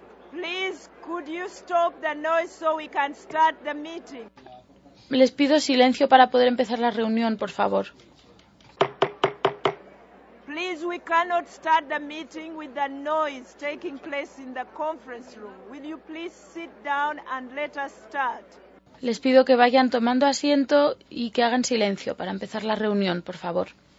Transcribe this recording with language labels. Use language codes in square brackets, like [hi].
[en] Please, could you stop the noise so we can start the meeting? [es] Les pido silencio para poder empezar la reunión, por favor. [en] Please, we cannot start the meeting with the noise taking place in the conference room. Will you please sit down and let us start? [es] Les pido que vayan tomando asiento y que hagan silencio para empezar la reunión, por favor.